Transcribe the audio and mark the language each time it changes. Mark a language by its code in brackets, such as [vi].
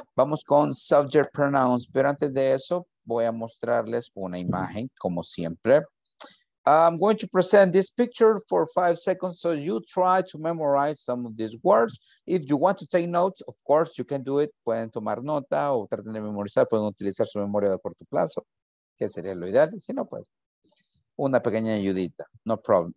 [es] Vamos con subject pronouns, pero antes de eso voy a mostrarles una imagen como siempre. [en] I'm going to present this picture for 5 seconds, so you try to memorize some of these words. If you want to take notes, of course you can do it. [es] Pueden tomar nota o traten de memorizar, pueden utilizar su memoria de corto plazo, que sería lo ideal, si no, pues, una pequeña ayudita, [en] no problem.